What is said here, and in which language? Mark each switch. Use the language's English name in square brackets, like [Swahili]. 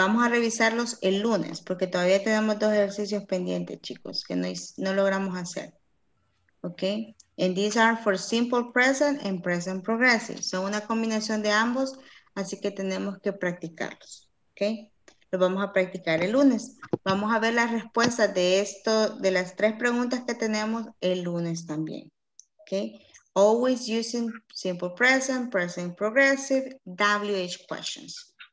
[Spanish] Vamos a revisarlos el lunes, porque todavía tenemos dos ejercicios pendientes, chicos, que no logramos hacer, okay? [English] And these are for simple present and present progressive. [Spanish] Son una combinación de ambos, así que tenemos que practicarlos, okay? Los vamos a practicar el lunes. Vamos a ver las respuestas de esto, de las tres preguntas que tenemos el lunes también, okay? [English] Always using simple present, present progressive, WH questions.